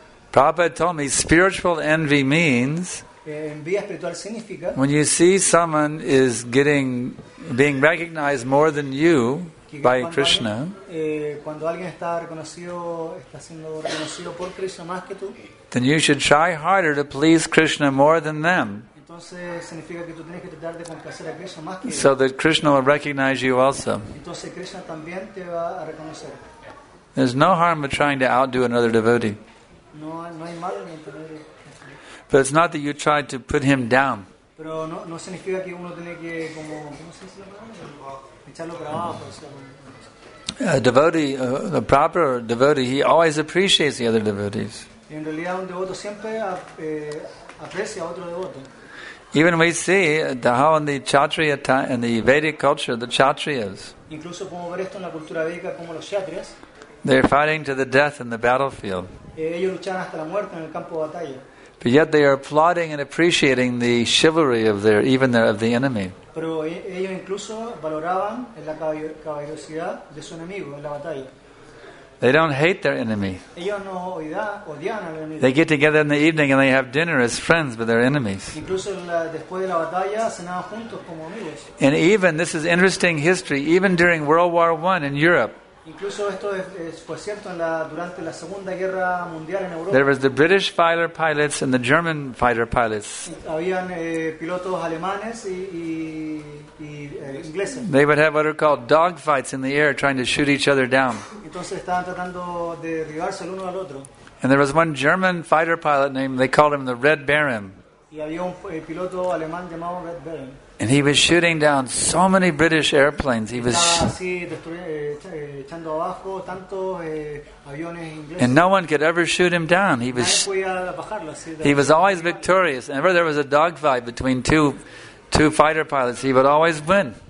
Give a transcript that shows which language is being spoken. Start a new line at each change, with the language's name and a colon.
English: Prabhupada told me spiritual envy means.
Spanish: Envidia espiritual significa.
English: When you see someone is getting. Being recognized more than you by Krishna.
Spanish: Cuando alguien está reconocido, está siendo reconocido por Krishna más que tú.
English: Then you should try harder to please Krishna more than them.
Spanish: Entonces significa que tú tienes que tratar de complacer a Krishna más que.
English: So that Krishna will recognize you also.
Spanish: Entonces Krishna también te va a reconocer.
English: There's no harm in trying to outdo another devotee.
Spanish: No hay mal en tener.
English: But it's not that you try to put him down.
Spanish: Pero no significa que uno tiene que como ¿cómo se llama? Echarlo para abajo, por ejemplo.
English: A devotee, the proper devotee, he always appreciates the other devotees.
Spanish: En realidad, un devoto siempre aprecia a otro devoto.
English: Even we see how in the Kshatriya time, in the Vedic culture, the Kshatriyas.
Spanish: Incluso podemos ver esto en la cultura védica como los Kshatriyas.
English: They're fighting to the death in the battlefield.
Spanish: Ellos luchan hasta la muerte en el campo de batalla.
English: But yet they are applauding and appreciating the chivalry of their even their of the enemy.
Spanish: Pero ellos incluso valoraban la caballerosidad de su enemigo en la batalla.
English: They don't hate their enemy.
Spanish: Ellos no odian al enemigo.
English: They get together in the evening and they have dinner as friends with their enemies.
Spanish: Incluso después de la batalla cenaban juntos como amigos.
English: And even this is interesting history. Even during World War I in Europe.
Spanish: Incluso esto fue cierto durante la Segunda Guerra Mundial en Europa.
English: There was the British fighter pilots and the German fighter pilots.
Spanish: Habían pilotos alemanes y ingleses.
English: They would have what are called dogfights in the air, trying to shoot each other down.
Spanish: Entonces estaban tratando de derribarse el uno al otro.
English: And there was one German fighter pilot named, they called him the Red Baron.
Spanish: Y había un piloto alemán llamado Red Baron.
English: And he was shooting down so many British airplanes. He was and no one could ever shoot him down. He was always victorious. Whenever there was a dogfight between two fighter pilots, he would always win.